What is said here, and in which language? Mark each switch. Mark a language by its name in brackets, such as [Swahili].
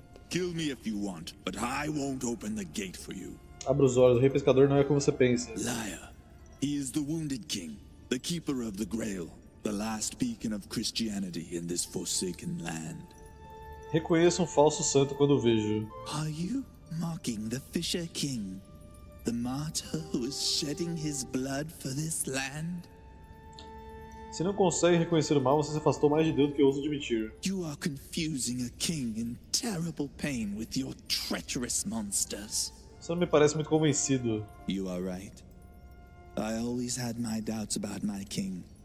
[English] Kill me if you want, but I won't open the gate for you. [Portuguese] Abra os olhos, o Rei Pescador não é como você pensa. [English] Liar. He is the wounded king, the keeper of the Grail. The last beacon of Christianity in this forsaken land. [Portuguese] Reconheço um falso santo quando vejo. [English] Are you mocking the Fisher King? The martyr who is shedding his blood for this land? [Portuguese] Se não consegue reconhecer o mal, você se afastou mais de Deus do que ouso admitir. [English] You are confusing a king in terrible pain with your treacherous monsters. [Portuguese] Você não me parece muito convencido. [English] You are right. I always had my doubts about my king.